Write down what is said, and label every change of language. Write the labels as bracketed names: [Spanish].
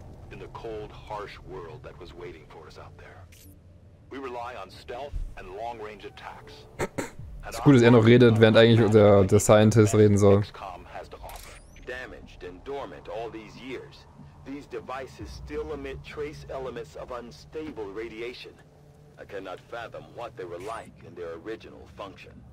[English] In the cold, harsh world that was waiting for us out there. We rely on stealth and long-range attacks. [German] Es ist gut, dass er noch redet, während eigentlich der Scientist reden soll. [English] Damaged and dormant all these years. These devices still emit trace elements of unstable radiation. I cannot fathom what they were like in their original function.